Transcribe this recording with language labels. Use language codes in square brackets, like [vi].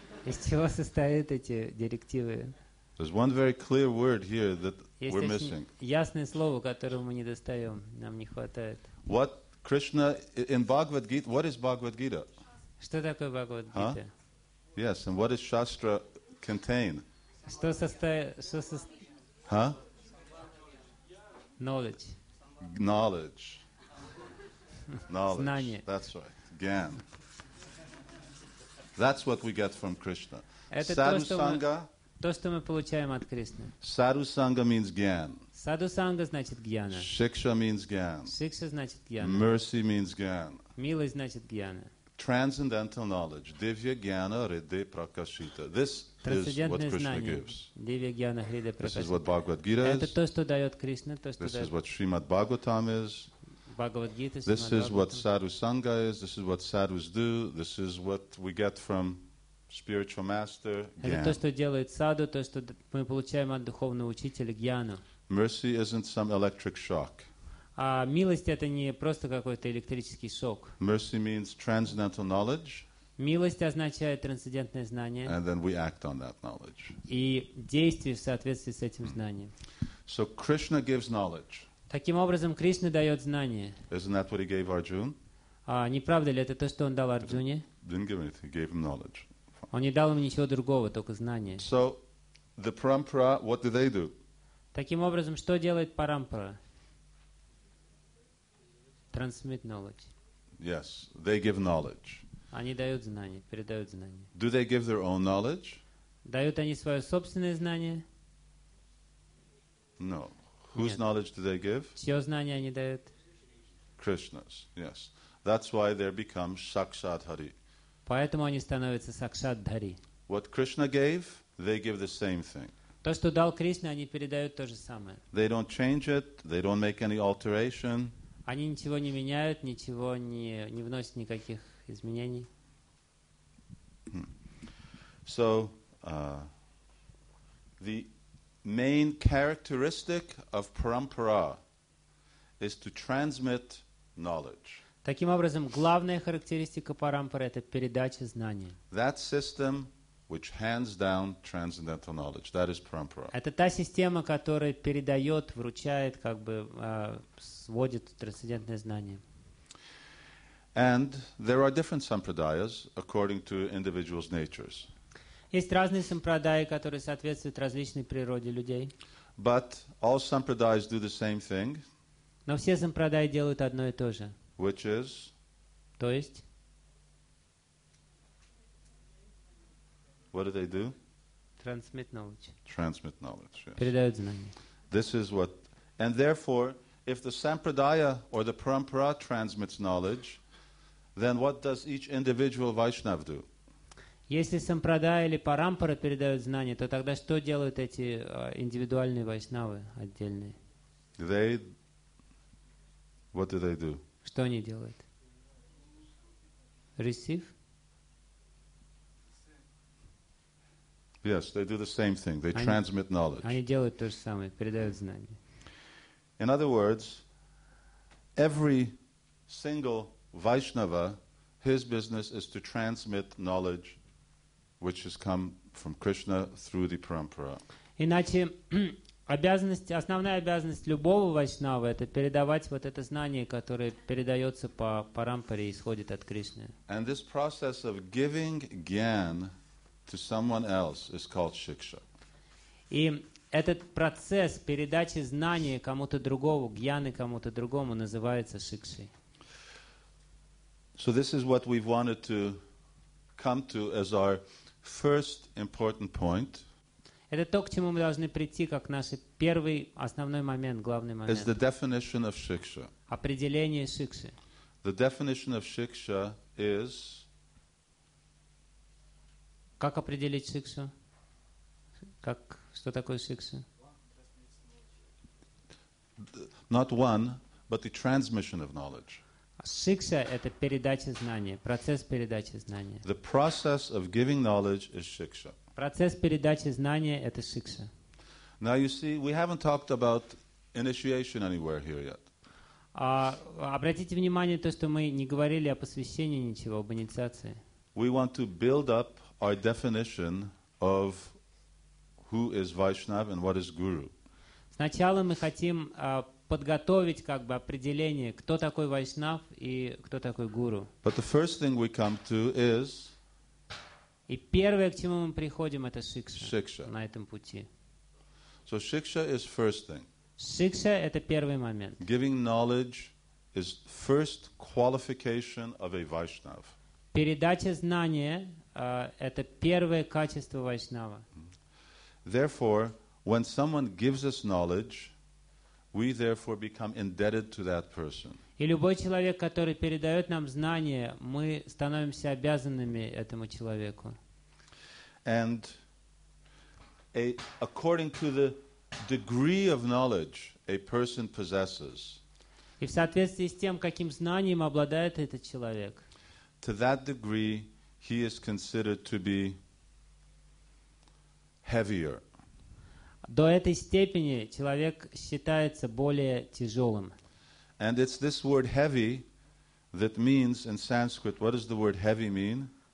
[ru] Из чего состоят эти директивы? [en] There's one very clear word here that we're missing. [ru] Ясное слово, которого мы не достаем, нам не хватает. [en] What Krishna in Bhagavad Gita? What is Bhagavad Gita? [ru] Что такое Bhagavad Gita? [en] Huh? Yes, and what does Shastra contain? [ru] Что состоит? Huh? [en] Knowledge. Knowledge. Knowledge. That's right. Gyan. That's what we get from Krishna. [sa] Sadhu sangha. [ru] То, что мы получаем от Кришны. [en] Sadhu sangha means gyan. [ru] Sadhu sangha значит гьяна. [en] Shiksha means gyan. [ru] Shiksha значит гьяна. [en] Mercy means gyan. [ru] Милость значит гьяна. [en] Transcendental knowledge. [sa] Divya gyana hridaye prakashita. [en] This is what Krishna gives. [sa] Divya gyana hridaye prakashita. [en] This is what Bhagavad Gita is. [ru] Это то, что дает Кришна. [en] This is what Srimad Bhagavatam is. Bhagavad Gita. This is what sadhu sangha is. This is what sadhus do. This is what we get from spiritual master, gyan. [ru] Это то, что делает саду, то, что мы получаем от духовного учителя, гьяну. [en] Mercy isn't some electric shock. [ru] А милость — это не просто какой-то электрический шок. [en] Mercy means transcendental knowledge. [ru] Милость означает трансцендентное знание. [en] And then we act on that knowledge. [ru] И действие в соответствии с этим знанием. [en] So Krishna gives knowledge. [ru] Таким образом, Кришна дает знание. [en] Isn't that what he gave Arjuna? [ru] Не правда ли это то, что он дал Арджуне? [en] Didn't give anything, he gave him knowledge. [ru] Он не дал им ничего другого, только знания. [en] So, the parampara, what do they do? [ru] Таким образом, что делает парампара? [en] Transmit knowledge. Yes, they give knowledge. [ru] Они дают знания, передают знания. [en] Do they give their own knowledge? [ru] Дают они свое собственное знание? [en] No. Whose knowledge do they give? [ru] Чье знание они дают? [en] Krishna's, yes. That's why they become Sakshat Hari. [ru] Поэтому они становятся сакшат-дхари. [en] What Krishna gave, they give the same thing. [ru] То, что дал Кришна, они передают то же самое. [en] They don't change it, they don't make any alteration. [ru] Они ничего не меняют, ничего не вносят никаких изменений. [en] So, the main characteristic of parampara is to transmit knowledge. [ru] Таким образом, главная характеристика парампары — это передача знания. [en] That system which hands down transcendental knowledge. That is parampara. [ru] Это та система, которая передает, вручает, как бы сводит трансцендентное знание. [en] And there are different sampradayas according to individuals' natures. [ru] Есть разные сампрадаи, которые соответствуют различной природе людей. [en] But all sampradayas do the same thing. [ru] Но все сампрадаи делают одно и то же. [en] Which is? [ru] То есть? [en] What do they do? Transmit knowledge. Transmit knowledge, yes. [ru] Передают знания. [en] This is what... And therefore, if the sampradaya or the parampara transmits knowledge, then what does each individual Vaishnava do? [ru] Если сампрада или парампара передают знания, то тогда что делают эти индивидуальные вайшнавы отдельные? [en] They, what do they do? [ru] Что они делают? [en] Receive? Yes, they do the same thing. They transmit knowledge. [ru] Они делают то же самое, передают знания. [en] In other words, every single Vaishnava, his business is to transmit knowledge which has come from Krishna through the parampara. [ru] Иначе обязанность, основная обязанность любого вайшнава это передавать вот это знание, которое передается по парампаре и исходит от Кришны. [en] And this process of giving gyan to someone else is called shiksha. [ru] И этот процесс передачи знания кому-то другому, гьяны кому-то другому, называется шикшей. [en] So this is what we've wanted to come to as our first important point. [ru] Это то, к чему мы должны прийти, как наш первый основной момент, главный момент. [en] Is the definition of shiksha. [ru] Определение шикши. [en] The definition of shiksha is... [ru] Как определить шикшу? Как... Что такое шикша? [en] Not one, but the transmission of knowledge. [ru] Шикша — это передача знания, процесс передачи знания. [en] The process of giving knowledge is shiksha. [ru] Процесс передачи знания — это шикша. [en] Now you see, we haven't talked about initiation anywhere here yet. [ru] Обратите внимание то, что мы не говорили о посвящении ничего, об инициации. [en] We want to build up our definition of who is Vaishnav and what is Guru. [ru] Сначала мы хотим подготовить как бы определение, кто такой Вайшнав и кто такой Гуру. [en] But the first thing we come to is... [ru] И первое, к чему мы приходим, это шикша. Шикша. На этом пути. [en] So шикша is first thing. [ru] Шикша — это первый момент. [en] Giving knowledge is first qualification of a Vaishnav. [ru] Передача знания — это первое качество Вайшнава. [en] Therefore, when someone gives us knowledge, we therefore become indebted to that person. [ru] И любой человек, который передает нам знания, мы становимся обязанными этому человеку. [en] And according to the degree of knowledge a person possesses. [ru] И в соответствии с тем, каким знанием обладает этот человек. [en] To that degree, he is considered to be heavier. [ru] До этой степени человек считается более тяжелым. [en] And it's this word heavy that means in Sanskrit, what does the word heavy mean?